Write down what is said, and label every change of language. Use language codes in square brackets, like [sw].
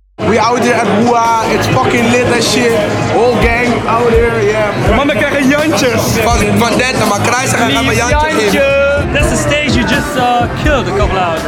[en] We out here at Hua, it's fucking lit as shit. Whole gang out here, yeah. [nl] Man, we krijgen jantjes. Van Denton, maar Kruijzer gaan we jantjes geven. [en] That's the stage you just killed a couple hours ago.